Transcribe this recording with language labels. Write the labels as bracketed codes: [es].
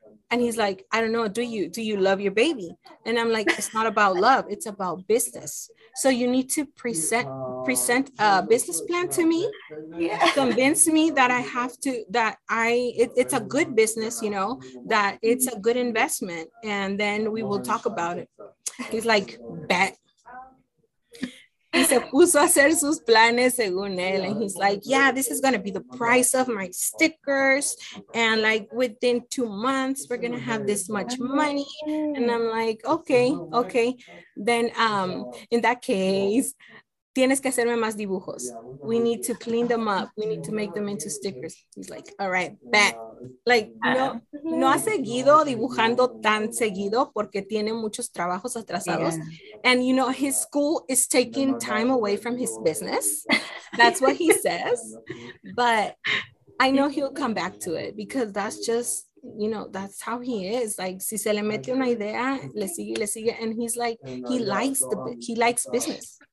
[en] And he's like, I don't know, do you love your baby? And I'm like, it's not about love, it's about business. So you need to present a business plan to me, convince me that I have to, that it's a good business, you know, that it's a good investment, and then we will talk about it. He's like, bet. [es] Y se puso a hacer sus planes según él. [en] And he's like, yeah, this is going to be the price of my stickers. And like within 2 months, we're going to have this much money. And I'm like, okay. Then in that case, [es] tienes que hacerme más dibujos. [en] We need to clean them up. We need to make them into stickers. He's like, all right, bet. [es] Like, no ha seguido dibujando tan seguido porque tiene muchos trabajos atrasados. [en] Yeah. And, you know, his school is taking time away from his business. That's what he says. But I know he'll come back to it because that's just, you know, that's how he is. Like, [es] si se le mete una idea, le sigue. [en] And he's like, he likes business.